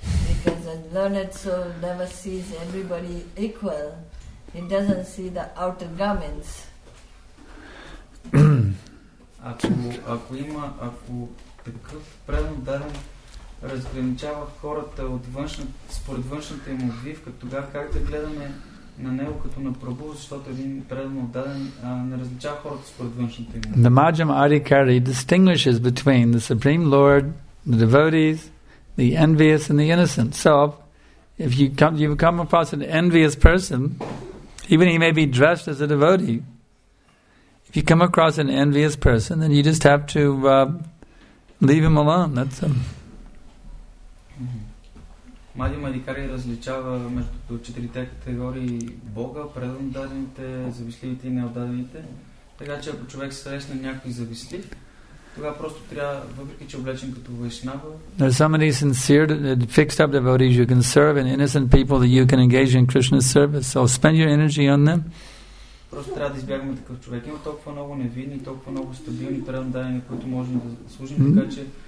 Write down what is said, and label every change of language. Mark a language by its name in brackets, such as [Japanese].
[English] Because a learned soul never sees everybody equal. He doesn't see the outer garments. [Bulgarian] Ако има, ако такъв предан дарен разграничава хората от външна, според външната им обвивка, тогава как да гледаме на него като на Прабу, защото един предан даден не различава хората според външната им. [English] The Majjhima Adhikari distinguishes between the Supreme Lord, the devotees, the envious and the innocent. So, if you come across an envious person, even he may be dressed as a devotee, if you come across an envious person, then you just have to leave him alone. That's him. [Bulgarian] Majjhima Adhikari различава между четирите категории Бога, преданите, завистливите и неотдадените. Така че ако човек срещне някой завистлив, тогава просто трябва, въпреки че облечен като вайшнава. [English] There are so many sincere, fixed up devotees you can serve, and innocent people that you can engage in Krishna's service. So spend your energy on them. [Bulgarian] Просто трябва да избягваме такъв човек. Има толкова много невинни, толкова много стабилни преданни, които можем да служим, така че...